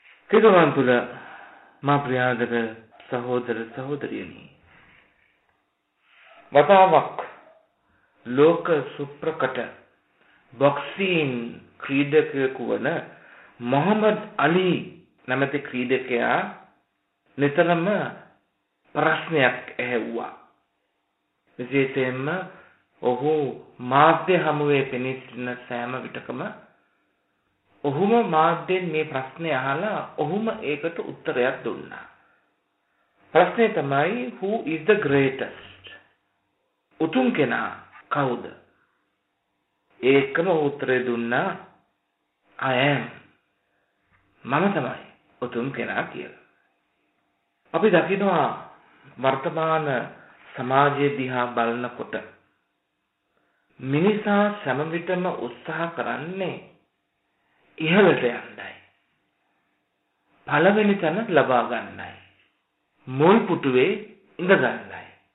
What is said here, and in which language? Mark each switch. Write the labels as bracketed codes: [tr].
[si] කිතුවන් තුළ මා ප්‍රියාදර සහෝදර සහෝදරියනි, වතාවක් ලෝක සුප්‍රකට බොක්සීන් ක්‍රීඩකයෙකු වන මොහමඩ් අලි නැමැති ක්‍රීඩකයා නිතරම ප්‍රශ්නයක් ඇහැව්වා. විශේෂයෙන්ම ඔහු මාධ්‍ය හමුවේ පෙනී සිටින සෑම විටකම ඔහුම මාධ්‍යෙන් මේ ප්‍රශ්නේ අහලා ඔහුම ඒකට උත්තරයක් දුන්නා. ප්‍රශ්නේ තමයි, [en] Who is the greatest? [si] උතුම් කෙනා කවුද? ඒකම උත්තරේ දුන්නා, [en] I am. [si] මම තමයි උතුම් කෙනා කියලා. අපි දකිනවා වර්තමාන සමාජයේ දිහා බලනකොට මිනිසා සෑම විටම උත්සාහ කරන්නේ ඉහළට යන්නයි, පළවෙනි තැන ලබා ගන්නයි, මුල් පුටුවේ ඉඳ ගන්නයි.